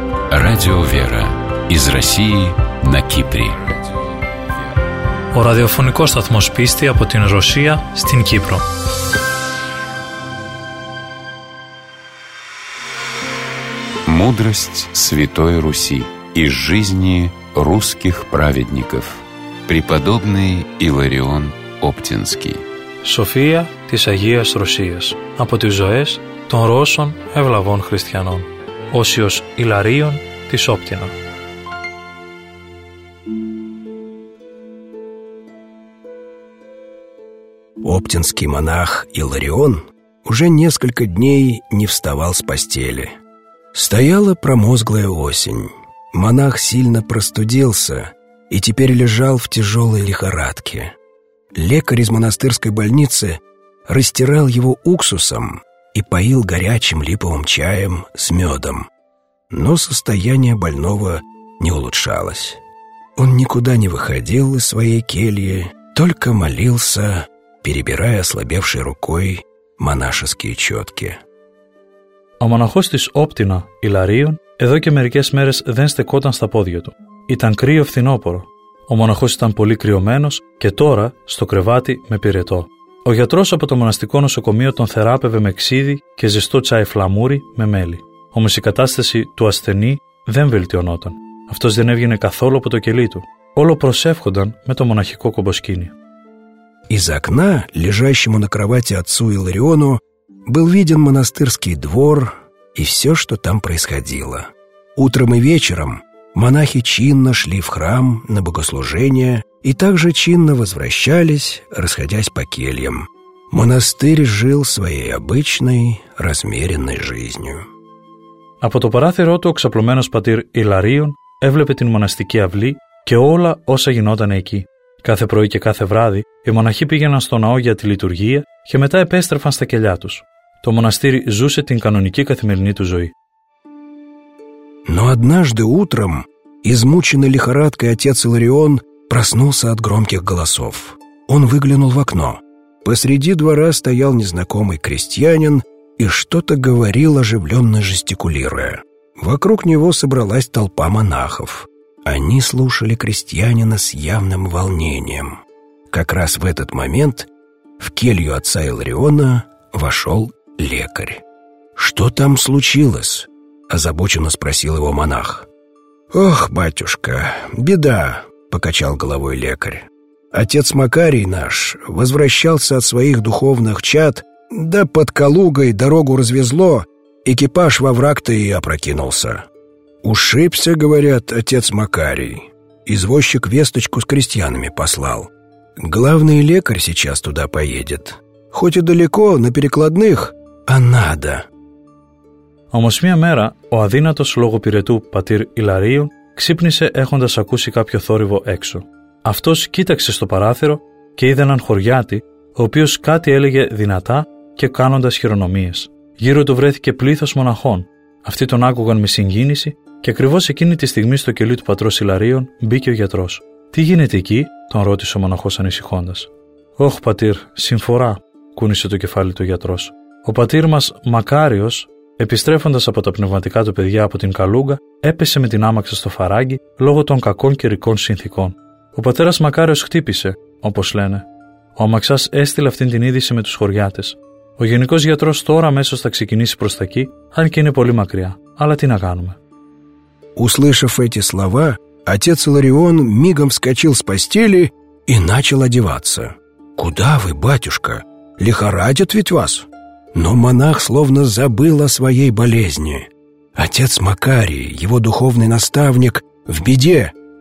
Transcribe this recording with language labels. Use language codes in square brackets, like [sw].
[ru] Радио Вера из России на Кипре. [el] Ο ραδιοφωνικός σταθμός πίστη από την Ρωσία στην Κύπρο. [ru] Мудрость Святой Руси из жизни русских праведников. Преподобный Иларион Оптинский. [el] София της Αγίας Ρωσίας. Από τις ζωές των Ρώσων ευλαβών χριστιανών. Όσιος Ιλαρίων της Όπτινα. [ru] Оптинский монах Иларион уже несколько дней не вставал с постели. Стояла промозглая осень. Монах сильно простудился и теперь лежал в тяжелой лихорадке. Лекарь из монастырской больницы растирал его уксусом и поил горячим липовым чаем с медом. Но состояние больного не улучшалось. Он никуда не выходил из своей кельи, только молился, перебирая ослабевшей рукой монашеские четки. [el] Ο μοναχός της Όπτινα, Ιλαρίων, εδώ και μερικές μέρες δεν στεκόταν στα πόδια του. Ήταν κρύο φθινόπωρο. Ο μοναχός ήταν πολύ κρυωμένος και τώρα στο κρεβάτι με πυρετό. Ο γιατρός από το μοναστικό νοσοκομείο τον θεράπευε με ξύδι και ζεστό τσάι φλαμούρι με μέλι. Όμως η κατάσταση του ασθενή δεν βελτιωνόταν. Αυτός δεν έβγαινε καθόλου από το κελί του. Όλο προσεύχονταν με το μοναχικό κομποσκήνιο. [ru] Из окна, лежащему на кровати отцу Илариону, был виден монастырский двор и все, что там происходило. Утром и вечером монахи чинно шли в храм на богослужение и также чинно возвращались, расходясь по кельям. Монастырь жил своей обычной, размеренной жизнью. [el] Από το παράθυρό του ο ξαπλωμένος πατήρ Ιλαρίων έβλεπε την μοναστική αυλή και όλα όσα γινόταν εκεί. Κάθε πρωί και κάθε βράδυ οι μοναχοί πήγαιναν στο ναό για τη λειτουργία και μετά επέστρεφαν στα κελιά τους. Το μοναστήρι ζούσε την κανονική καθημερινή του ζωή. [ru] Но однажды утром, измученный лихорадкой отец Иларион проснулся от громких голосов. Он выглянул в окно. Посреди двора стоял незнакомый крестьянин и что-то говорил, оживленно жестикулируя. Вокруг него собралась толпа монахов. Они слушали крестьянина с явным волнением. Как раз в этот момент в келью отца Илариона вошел лекарь. «Что там случилось?» – озабоченно спросил его монах. «Ох, батюшка, беда!» – покачал головой лекарь. «Отец Макарий наш возвращался от своих духовных чад, да под Калугой дорогу развезло, экипаж во враг-то и опрокинулся». «Ушибся, — говорят, — отец Макарий. Извозчик весточку с крестьянами послал. Главный лекарь сейчас туда поедет. Хоть и далеко, на перекладных, а надо». [el] Όμως μια μέρα ο αδύνατος λόγω πυρετού πατήρ Ιλαρίου ξύπνησε έχοντας ακούσει κάποιο θόρυβο έξω. Αυτός κοίταξε στο παράθυρο και είδε έναν χωριάτη, ο οποίος κάτι έλεγε δυνατά και κάνοντας χειρονομίες. Γύρω του βρέθηκε πλήθος μοναχών. Αυτοί τον άκουγαν με συγκίνηση και ακριβώς εκείνη τη στιγμή στο κελί του πατρός Ιλαρίων μπήκε ο γιατρός. «Τι γίνεται εκεί?» τον ρώτησε ο μοναχός ανησυχώντας. «Ωχ, πατήρ, συμφορά», κούνησε το κεφάλι του γιατρός. «Ο πατήρ μας Μακάριος, επιστρέφοντας από τα πνευματικά του παιδιά από την Καλούγκα, έπεσε με την άμαξα στο φαράγγι λόγω των κακών καιρικών συνθήκων. Ο πατέρας Μακάριος χτύπησε όπως λένε. Ο Αμαξάς έστειλε αυτήν την είδηση με τους χωριάτες. Ο γενικός γιατρός τώρα αμέσως θα ξεκινήσει προς τα εκεί, αν και είναι πολύ μακριά. Αλλά τι να κάνουμε. [ru] Услышав эти слова, отец Иларион мигом вскочил с постели и начал одеваться. «Куда вы, батюшка? Лихорадят ведь вас?» Но монах словно забыл о своей болезни. Отец Макарий, его духовный наставник, в беде.